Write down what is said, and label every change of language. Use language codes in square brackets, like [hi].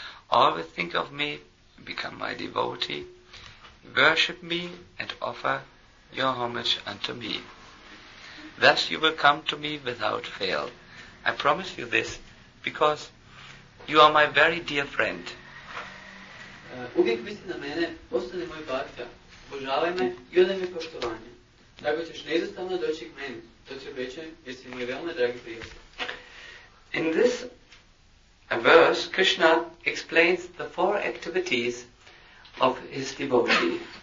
[en] Always think of me, become my devotee, worship me and offer your homage unto me. Thus you will come to me without fail. I promise you this because you are my very dear friend. [hr] Uvijek misli na mene, postane moj bhakta. Obožavaj me i odaj mi poštovanje. Tako ćeš neizostavno doći k meni. To ti obećajem jer si moj veoma dragi prijatelj. [en] In this verse, Krishna explains the four activities of his devotee.